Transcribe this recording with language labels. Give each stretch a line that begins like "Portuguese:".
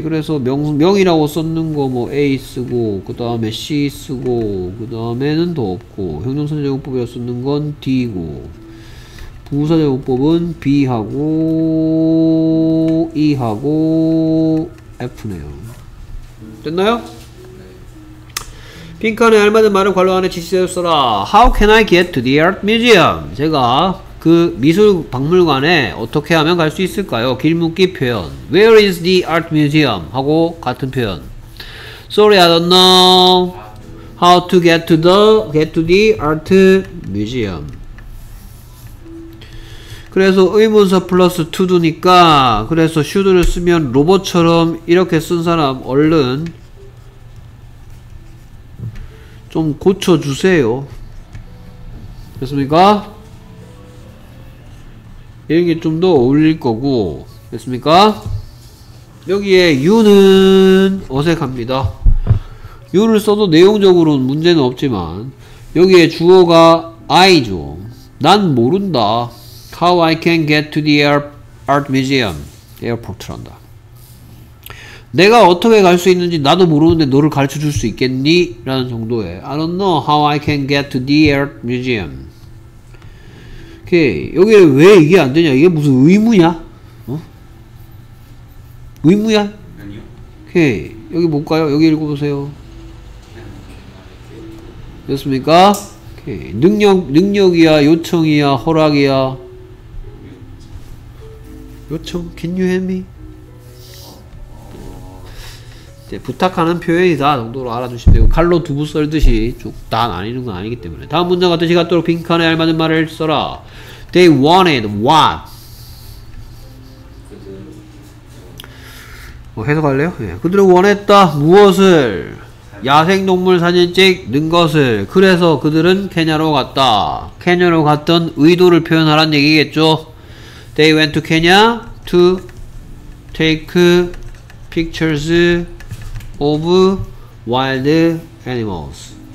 Korean: 그래서 명이라고 썼는 거 뭐 A 쓰고 그 다음에 C 쓰고 그 다음에는 더 없고 형용사 제목법이라고 썼는 건 D고 부사 제목법은 B하고 E하고 F네요. 됐나요? 핑크는 알맞은 말을 관로 안에 지시되어 써라.
English: How can I get to the art museum?
Korean: 제가 그 미술 박물관에 어떻게 하면 갈 수 있을까요? 길묻기 표현
English: Where is the art museum?
Korean: 하고 같은 표현
English: Sorry, I don't know how to get to the art museum.
Korean: 그래서 의문사 플러스 to do니까 그래서 should를 쓰면 로봇처럼 이렇게 쓴 사람 얼른 좀 고쳐주세요. 됐습니까? 이런 게 좀 더 어울릴 거고, 됐습니까? 여기에 you는 어색합니다. you를 써도 내용적으로는 문제는 없지만, 여기에 주어가 I죠. 난 모른다.
English: How I can get to the art museum.
Korean: 에어포트란다. 내가 어떻게 갈 수 있는지 나도 모르는데 너를 가르쳐 줄 수 있겠니? 라는 정도의
English: I don't know how I can get to the art museum. 오케이.
Korean: 여기 왜 이게 안 되냐? 이게 무슨 의무냐? 어? 의무야? 아니요. 오케이. 여기 볼까요? 여기 읽어보세요. 됐습니까? 오케이. 능력이야? 요청이야? 허락이야? 요청?
English: Can you help me?
Korean: 이제 부탁하는 표현이다 정도로 알아주시면 되고 칼로 두부 썰듯이 쭉 다 나뉘는 건 아니기 때문에 다음 문장과 뜻이 같도록 빈칸에 알맞은 말을 써라.
English: They wanted what?
Korean: 뭐 해석할래요? 예. 그들은 원했다 무엇을? 야생동물 사진 찍는 것을. 그래서 그들은 케냐로 갔다. 케냐로 갔던 의도를 표현하란 얘기겠죠.
English: They went to Kenya to take pictures of wild animals.